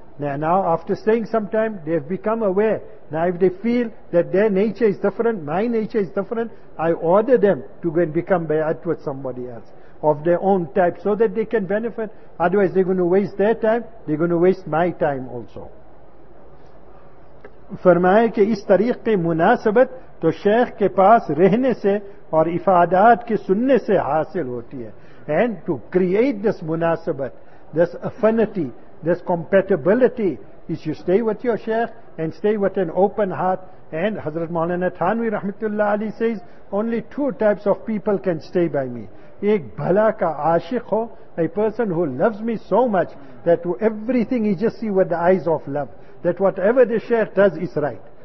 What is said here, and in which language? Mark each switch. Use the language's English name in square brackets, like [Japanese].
[English] Now after staying some time, they have become aware. Now if they feel that their nature is different, my nature is different, I order them to go and become bay'at with somebody else of their own type, so that they can benefit. Otherwise they're going to waste their time, they're going to waste my time also. [Urdu] فرمایا کہ اس طریق کے مناسبت تو شیخ کے پاس رہنے سے اور افادات کے سننے سے حاصل ہوتی ہے. [English] And to create this مناسبت, this affinity, this compatibility, is you stay with your sheikh and stay with an open heart. And Hazrat Maulana Thanvi Rahmatullah Ali says, only 2 types of people can stay by me. [Urdu] Ek bhala ka aashiq ho, [English] a person who loves me so much that everything he just see with the eyes of love, that whatever the sheikh does is right.